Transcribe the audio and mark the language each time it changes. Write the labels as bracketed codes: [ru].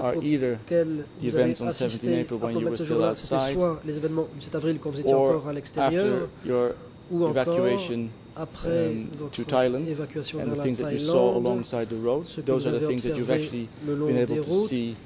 [en] are either the events on 17 April when you were still outside, [fr] soit les événements du 7 avril quand vous étiez encore à l'extérieur, ou evacuation après [en] to Thailand and the things that you saw alongside the road, those are the things that you've actually been able to see with